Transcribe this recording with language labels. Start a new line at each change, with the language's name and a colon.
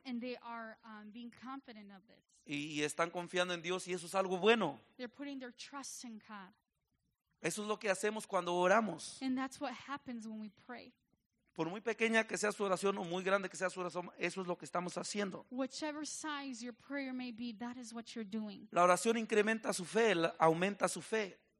English: And they are being confident of it.
Spanish: Y están confiando en Dios y eso es algo bueno.
English: They're putting their trust in God.
Spanish: Eso es lo que hacemos cuando oramos.
English: And that's what happens when we pray.
Spanish: Por muy pequeña que sea su oración o muy grande que sea su oración, eso es lo que estamos haciendo.
English: Whichever size your prayer may be, that is what you're doing.
Spanish: La oración incrementa su fe, aumenta su fe.